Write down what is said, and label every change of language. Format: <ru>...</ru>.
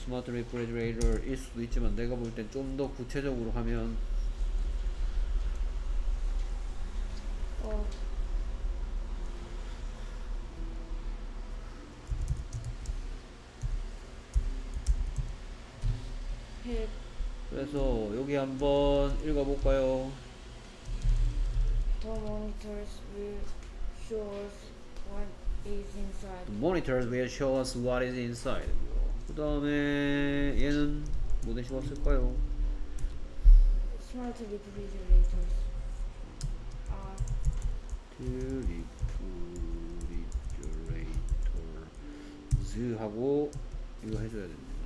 <ko>스마트 리프리지레이터일 수도 있지만 내가 볼 땐 좀 더 구체적으로 하면 그래서 여기 한번 읽어볼까요?</ko> <en>The monitors will show us what is inside. The monitors will show us what is inside.</en> <ko>그 다음에 얘는 뭐 대신 왔을까요?</ko> <en>Smart refrigerators. The refrigerators</en> <ko>하고 이거 해줘야 됩니다.</ko>